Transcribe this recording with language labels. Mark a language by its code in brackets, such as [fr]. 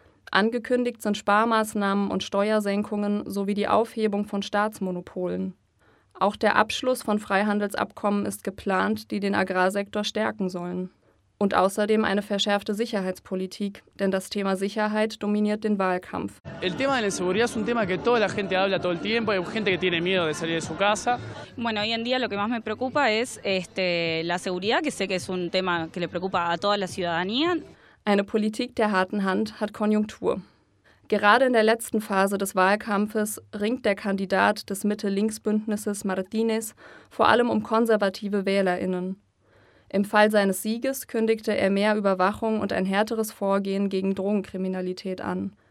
[de] Angekündigt sind Sparmaßnahmen und Steuersenkungen sowie die Aufhebung von Staatsmonopolen. Auch der Abschluss von Freihandelsabkommen ist geplant, die den Agrarsektor stärken sollen. Und außerdem eine verschärfte Sicherheitspolitik, denn das Thema Sicherheit dominiert den Wahlkampf. [es] El tema de la inseguridad es un tema que toda la gente habla todo el tiempo. Hay gente que tiene miedo de salir de su casa. Bueno, hoy en día lo que más me preocupa es la seguridad, que sé que es un tema que le preocupa a toda la ciudadanía. [de] Eine Politik der harten Hand hat Konjunktur. Gerade in der letzten Phase des Wahlkampfes ringt der Kandidat des Mitte-Links-Bündnisses Martinez vor allem um konservative WählerInnen. Im Fall seines Sieges kündigte er mehr Überwachung und ein härteres Vorgehen gegen Drogenkriminalität an.